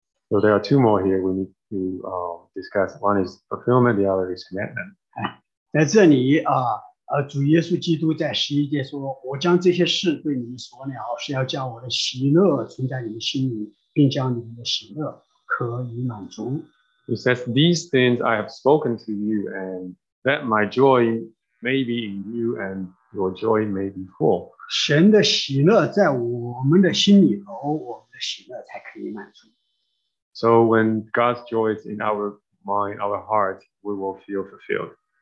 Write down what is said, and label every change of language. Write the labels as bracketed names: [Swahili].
[English] So there are two more here we need to discuss. One is fulfillment, the other is commandment. [Chinese] 哎，在这里啊。主耶稣基督在十一节说：“我将这些事对你们说了，是要叫我的喜乐存在你们心里，并将你们的喜乐可以满足。” [English] He says, "These things I have spoken to you, and that my joy may be in you, and your joy may be full." [Chinese] 神的喜乐在我们的心里头，我们的喜乐才可以满足。 [English] So when God's joy is in our mind, our heart, we will feel fulfilled.